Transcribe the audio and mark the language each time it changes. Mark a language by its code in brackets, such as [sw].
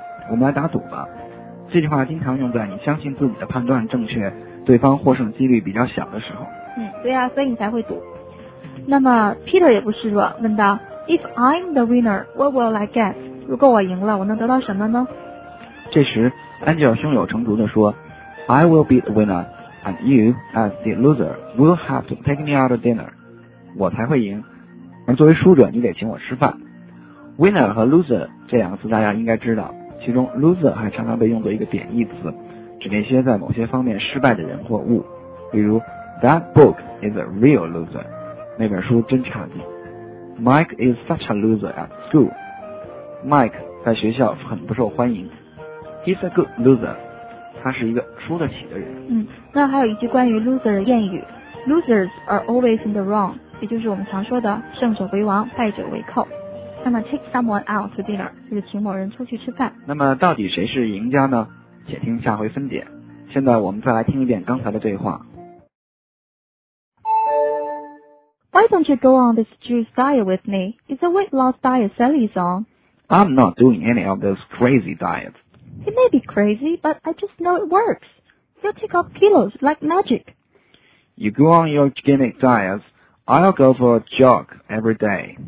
[zh] 我们来打赌吧，这句话经常用在你相信自己的判断正确，对方获胜几率比较小的时候。嗯，对啊，所以你才会赌。那么 Peter 也不示弱，问道 [en] If I'm the winner, what will I get? [zh] 如果我赢了，我能得到什么呢？这时 Angel 胸有成竹地说 [en] I will be the winner, and you, as the loser, will have to take me out to dinner. [zh] 我才会赢，而作为输者，你得请我吃饭。 Winner 和 loser 这两个词大家应该知道，其中 loser 还常常被用作一个贬义词，指那些在某些方面失败的人或物，比如 [en] That book is a real loser， [zh] 那本书真差劲。 [en] Mike is such a loser at school， Mike [zh] 在学校很不受欢迎。 [en] He's a good loser， [zh] 他是一个输得起的人。嗯，那还有一句关于 loser 的谚语， [en] Losers are always in the wrong， [zh] 也就是我们常说的胜者为王，败者为寇。那么 take someone out to dinner 就是请某人出去吃饭。那么到底谁是赢家呢？且听下回分解。现在我们再来听一遍刚才的对话。 [en] Why don't you go on this juice diet with me? It's a weight loss diet Sally's on. I'm not doing any of those crazy diets. It may be crazy, but I just know it works. You'll take off kilos like magic. You go on your gimmick diets. I'll go for a jog every day.